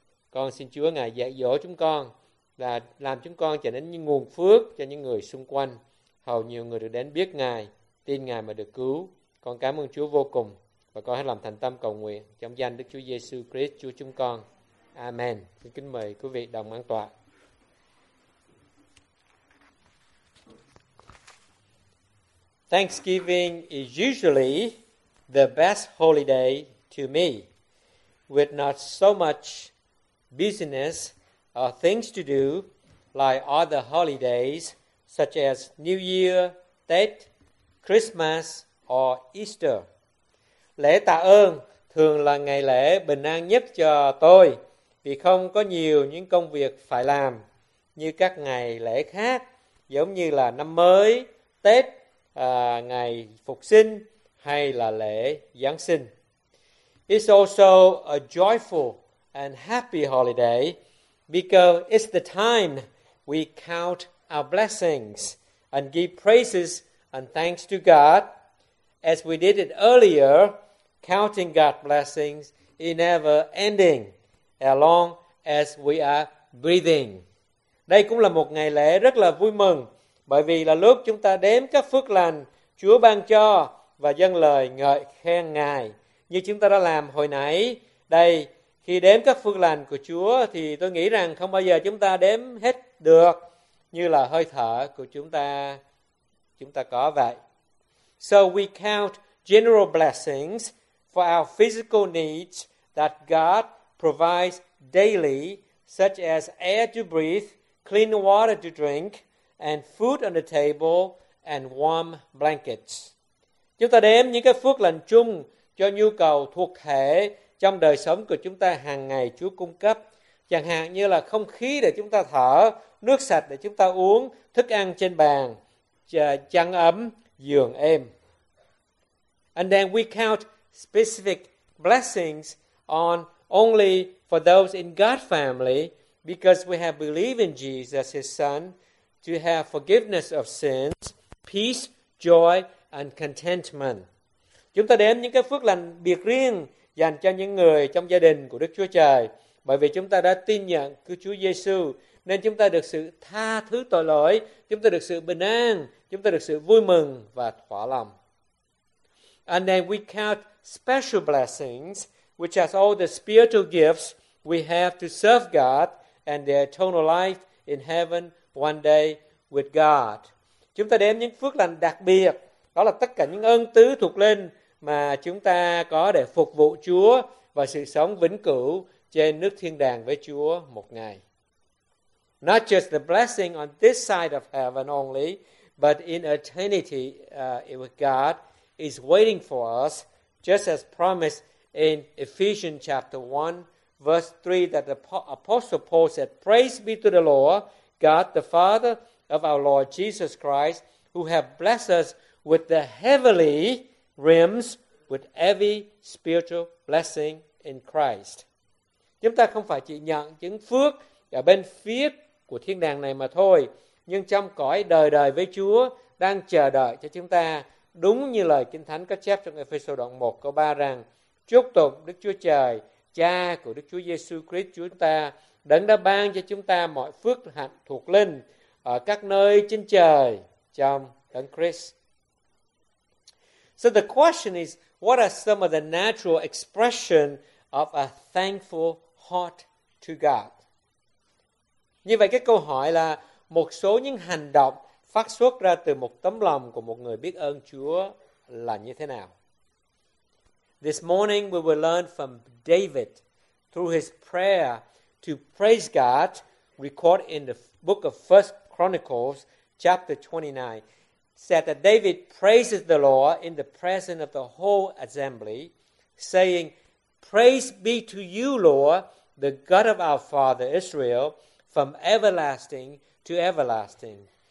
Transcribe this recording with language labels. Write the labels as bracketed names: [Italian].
[Vietnamese] Con xin Chúa Ngài dạy dỗ chúng con là làm chúng con trở nên như nguồn phước cho những người xung quanh, hầu nhiều người được đến biết Ngài, tin Ngài mà được cứu. Con cảm ơn Chúa vô cùng và con hãy làm thành tâm cầu nguyện trong danh Đức Chúa Giêsu Christ Chúa chúng con. Amen. Kính mời quý vị đồng an tọa. [English] Thanksgiving is usually the best holiday to me, with not so much business or things to do like other holidays such as New Year, Tết, Christmas or Easter. [Vietnamese] Lễ tạ ơn thường là ngày lễ bình an nhất cho tôi vì không có nhiều những công việc phải làm như các ngày lễ khác, giống như là năm mới, Tết, ngày Phục sinh hay là lễ Giáng sinh. [English] It's also a joyful and happy holiday because it's the time we count our blessings and give praises and thanks to God. As we did it earlier, counting God's blessings is never ending. along as we are breathing. [Vietnamese] Đây cũng là một ngày lễ rất là vui mừng, bởi vì là lúc chúng ta đếm các phước lành Chúa ban cho và dâng lời ngợi khen Ngài, như chúng ta đã làm hồi nãy. Đây, khi đếm các phước lành của Chúa thì tôi nghĩ rằng không bao giờ chúng ta đếm hết được, như là hơi thở của chúng ta có vậy. [English] So we count general blessings for our physical needs that God provides daily, such as air to breathe, clean water to drink, and food on the table, and warm blankets. [Vietnamese] Chúng ta đếm những cái phước lành chung cho nhu cầu thuộc thể trong đời sống của chúng ta hàng ngày Chúa cung cấp. Chẳng hạn như là không khí để chúng ta thở, nước sạch để chúng ta uống, thức ăn trên bàn, chăn ấm, giường êm. [English] And then we count specific blessings on only for those in God's family, because we have believed in Jesus, His Son, to have forgiveness of sins, peace, joy, and contentment. [Vietnamese] Chúng ta đếm những cái phước lành biệt riêng dành cho những người trong gia đình của Đức Chúa Trời, bởi vì chúng ta đã tin nhận cứu Chúa Giêsu, nên chúng ta được sự tha thứ tội lỗi, chúng ta được sự bình an, chúng ta được sự vui mừng và thỏa lòng. [English] And then we count special blessings, which are all the spiritual gifts we have to serve God and the eternal life in heaven one day with God. [Vietnamese] Chúng ta đếm những phước lành đặc biệt, đó là tất cả những ân tứ thuộc linh mà chúng ta có để phục vụ Chúa và sự sống vĩnh cửu trên nước thiên đàng với Chúa một ngày. [English] Not just the blessing on this side of heaven only, but in eternity with God is waiting for us, just as promised in Ephesians chapter 1, verse 3, that the Apostle Paul said, "Praise be to the Lord, God the Father of our Lord Jesus Christ, who have blessed us with the heavenly realms, with every spiritual blessing in Christ." [Vietnamese] Chúng ta không phải chỉ nhận những phước ở bên phía của thiên đàng này mà thôi, nhưng trong cõi đời đời với Chúa đang chờ đợi cho chúng ta, đúng như lời Kinh Thánh có chép trong Ephesians đoạn 1 câu 3 rằng: "Chúc tụng Đức Chúa Trời, Cha của Đức Chúa Giêsu Christ chúng ta, Đấng đã ban cho chúng ta mọi phước hạnh thuộc linh ở các nơi trên trời trong Đấng Christ." [English] So the question is, what are some of the natural expression of a thankful heart to God? [Vietnamese] Như vậy cái câu hỏi là một số những hành động phát xuất ra từ một tấm lòng của một người biết ơn Chúa là như thế nào? [English] This morning we will learn from David through his prayer to praise God, recorded in the book of 1 Chronicles, chapter 29, said that David praises the Lord in the presence of the whole assembly, saying, "Praise be to you, Lord, the God of our father Israel, from everlasting to everlasting.